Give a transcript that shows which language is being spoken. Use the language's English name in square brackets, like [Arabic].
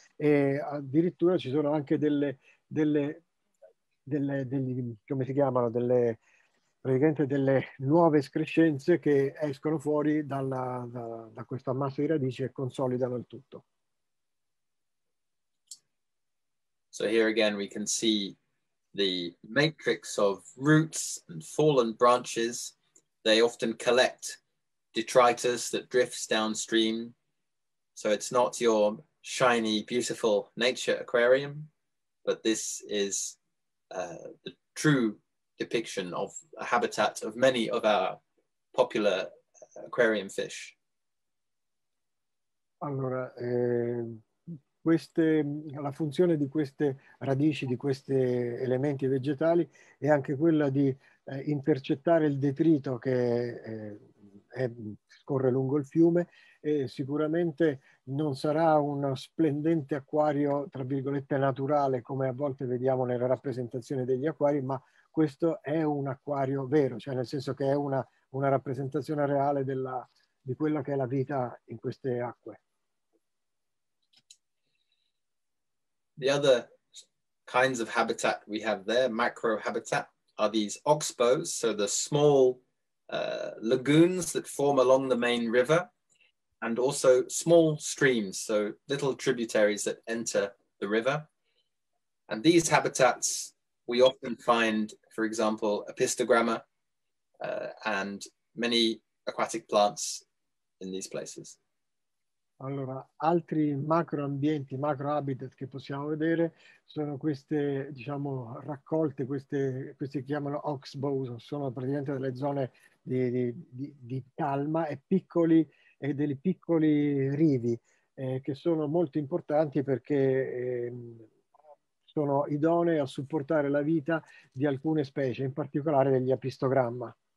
[Italian] E addirittura ci sono anche delle nuove escrescenze che escono fuori da questo ammasso di radici e consolidano il tutto. [English] So here again we can see the matrix of roots and fallen branches. They often collect detritus that drifts downstream. So it's not your shiny, beautiful nature aquarium, but this is the true depiction of a habitat of many of our popular aquarium fish. [Italian] Allora, la funzione di queste radici, di questi elementi vegetali, è anche quella di intercettare il detrito che scorre lungo il fiume, e sicuramente non sarà uno splendente acquario, tra virgolette, naturale, come a volte vediamo nella rappresentazione degli acquari, ma questo è un acquario vero, cioè nel senso che è una rappresentazione reale di quella che è la vita in queste acque. [English] The other kinds of habitat we have there, macro habitat, are these oxbows, so the small lagoons that form along the main river, and also small streams, so little tributaries that enter the river. And these habitats we often find, for example, epistogramma and many aquatic plants in these places. [Italian] Allora, altri macro ambienti, macro habitat che possiamo vedere sono queste, diciamo, raccolte, queste chiamano oxbows, sono praticamente delle zone di calma e piccoli e dei piccoli rivi che sono molto importanti perché sono idonee a supportare la vita di alcune specie, in particolare degli epistogramma.